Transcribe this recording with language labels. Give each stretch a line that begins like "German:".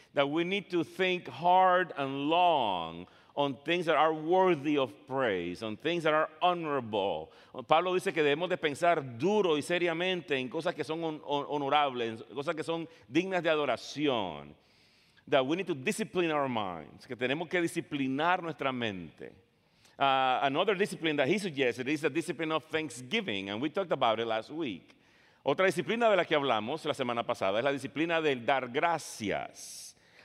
English: That we need to think hard and long on things that are worthy of praise, on things that are honorable.
Spanish: Pablo dice que debemos de pensar duro y seriamente en cosas que son honorables, en cosas que son dignas de adoración.
English: That we need to discipline our minds,
Spanish: que tenemos que disciplinar nuestra mente.
English: Another discipline that he suggested is the discipline of thanksgiving, and we talked about it last week.
Spanish: Otra disciplina de la que hablamos la semana pasada es la disciplina del dar gracias.